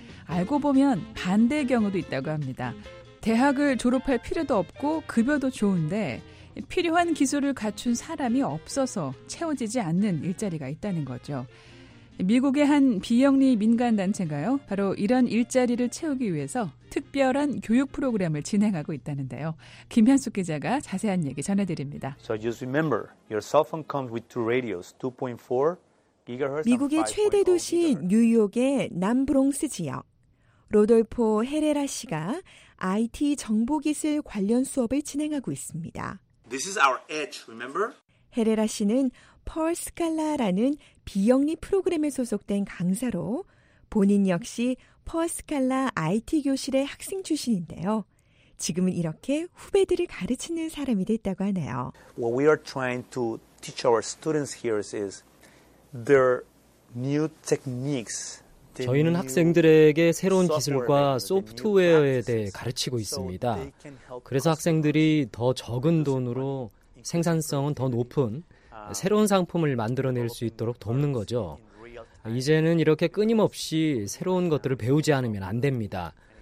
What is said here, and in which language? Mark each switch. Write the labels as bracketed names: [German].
[Korean] 알고 보면 반대의 경우도 있다고 합니다. 대학을 졸업할 필요도 없고 급여도 좋은데 필요한 기술을 갖춘 사람이 없어서 채워지지 않는 일자리가 있다는 거죠. 미국의 한 비영리 민간단체가요. 바로 이런 일자리를 채우기 위해서 특별한 교육 프로그램을 진행하고 있다는데요. 김현숙 기자가 자세한 얘기 전해드립니다. [English] So just remember, your cell phone comes with two radios, 2.4 gigahertz. [Korean] 미국의 최대 도시 뉴욕의 남브롱스 지역. 로돌포 헤레라 씨가 IT 정보기술 관련 수업을 진행하고 있습니다. [English] This is our edge, remember? [Korean] 헤레라 씨는 펄 스칼라라는 비영리 프로그램에 소속된 강사로 본인 역시 퍼스칼라 IT 교실의 학생 출신인데요. 지금은 이렇게 후배들을 가르치는 사람이 됐다고 하네요. [English] What we are trying to teach our students here is their new techniques. [Korean] 저희는 학생들에게 새로운 기술과 소프트웨어에 대해 가르치고 있습니다. 그래서 학생들이 더 적은 돈으로 생산성은 더 높은 새로운 상품을 만들어낼 수 있도록 돕는 거죠. 이제는 이렇게 끊임없이 새로운 것들을 배우지 않으면 안 됩니다.